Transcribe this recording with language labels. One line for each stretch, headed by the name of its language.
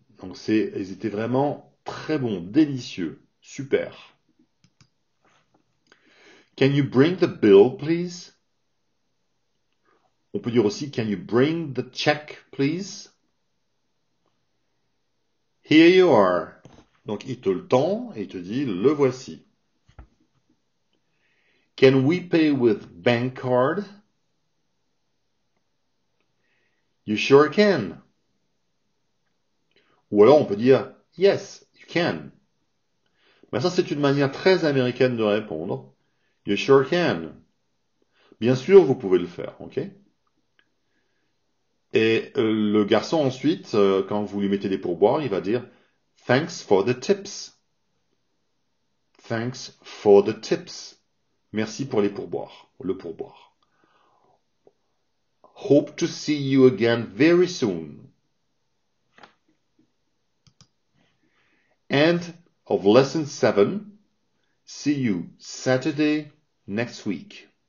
French: Donc ils étaient vraiment très bons, délicieux, super.
English: Can you bring the bill, please?
French: On peut dire aussi,
English: can you bring the check, please? Here you are.
French: Donc il te le tend et il te dit, le voici.
English: Can we pay with bank card? You sure can.
French: Ou alors on peut dire,
English: yes, you can.
French: Mais ça, c'est une manière très américaine de répondre.
English: You sure can.
French: Bien sûr, vous pouvez le faire, ok? Et le garçon ensuite, quand vous lui mettez des pourboires, il va dire,
English: thanks for the tips. Thanks for the tips.
French: Merci pour les pourboires, le pourboire.
English: Hope to see you again very soon. End of lesson 7. See you Saturday next week.